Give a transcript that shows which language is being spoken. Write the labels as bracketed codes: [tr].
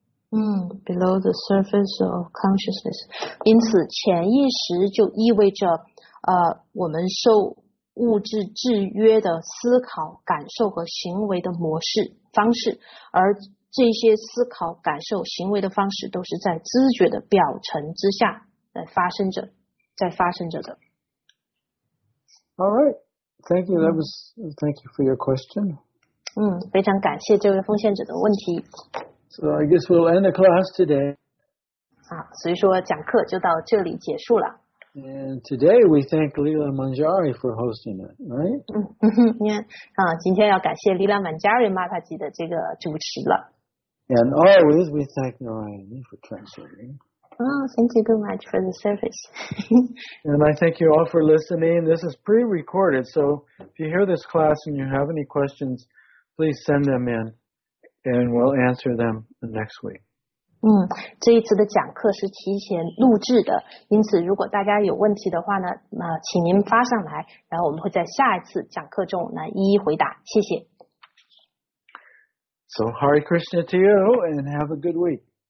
[en] Below the surface of consciousness. [zh] 因此，潜意识就意味着我们受物质制约的思考、感受和行为的模式方式，而这些思考、感受、行为的方式都是在知觉的表层之下来发生着，在发生着的。 [en] All right, thank you. That was thank you for your question. [zh] 非常感谢这位奉献者的问题。 [en] So I guess we'll end the class today. [zh] 所以说讲课就到这里结束了。 [en] And today we thank Lila Manjari for hosting it, right? [zh] 今天要感谢 Lila Manjari Mataji 的这个主持了。 [en] And always we thank Narayani for translating. Thank you so much for the service. And I thank you all for listening. This is pre-recorded, so if you hear this class and you have any questions, please send them in and we'll answer them next week. [zh] 这一次的讲课是提前录制的，因此如果大家有问题的话呢，请您发上来，然后我们会在下一次讲课中来一一回答，谢谢。 [en] So Hare Krishna to you and have a good week.